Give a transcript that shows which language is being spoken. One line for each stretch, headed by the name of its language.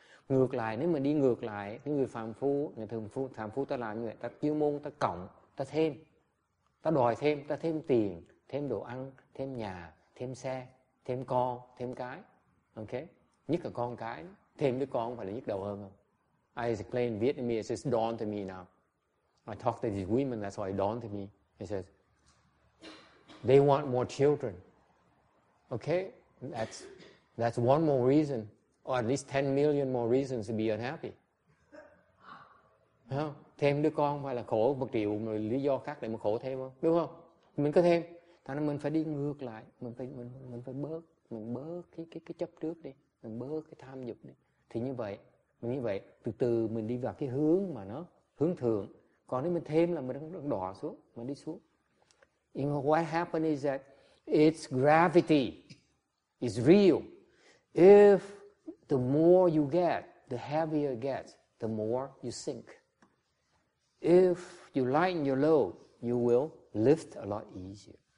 Vietnamese: Ngược lại, nếu mà đi ngược lại, người phàm phu, người thường phu, phàm phu ta làm như vậy, ta chuyên môn, ta cộng, ta thêm, ta đòi thêm, ta thêm tiền, thêm đồ ăn, thêm nhà, thêm xe, thêm con, thêm cái. Ok? Nhất là con cái, thêm đứa con phải là nhức đầu hơn không?
English: I explain in Vietnamese, it's dawn to me now. I talk to these women, that's why it dawn to me. He says, they want more children. Ok? That's one more reason. Or at least 10 million more reasons to be unhappy.
Vietnamese: Không? Thêm đứa con phải là khổ 1 triệu mà lý do khác để mà khổ thêm không? Đúng không? Mình có thêm. Thành ra mình phải đi ngược lại. Mình phải bớt. Mình bớt cái chấp trước đi. Mình bớt cái tham dục đi. Thì như vậy. Mình như vậy. Từ từ mình đi vào cái hướng mà nó hướng thượng. Còn nếu mình thêm là mình đang đọa xuống. Mình đi xuống.
English: You know what happened is that its gravity is real. If the more you get, the heavier it gets, the more you sink. If you lighten your load, you will lift a lot easier.